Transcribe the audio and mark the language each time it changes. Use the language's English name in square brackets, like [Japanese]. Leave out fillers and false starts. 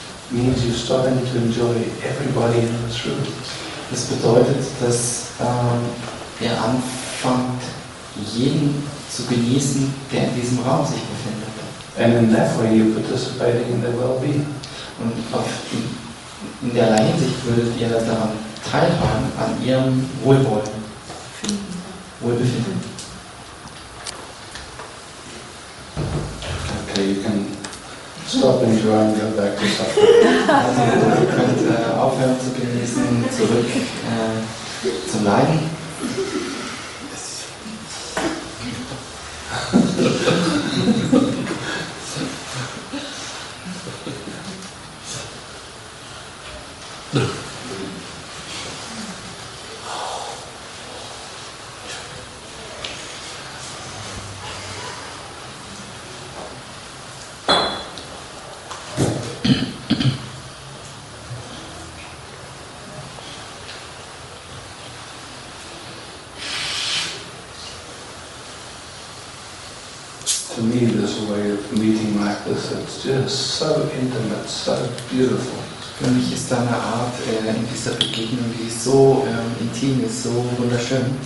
[English] means you're starting to enjoy everybody in this room. [German] Das bedeutet, dass ihr anfängt, jeden zu genießen, der in diesem Raum sich befindet. [English] And in that way you're participating in their well-being. [German] Und in der Hinsicht würdet ihr daran teilhaben, an ihrem Wohlbefinden. [English] You can stop enjoying, go back to suffering. [German] Also, ihr könnt aufhören zu genießen, zurück zum Leiden. [English] to me, this way of meeting like this, it's just so intimate, so beautiful. [German] Für mich ist deine Art in dieser Begegnung, die so intim ist, so wunderschön.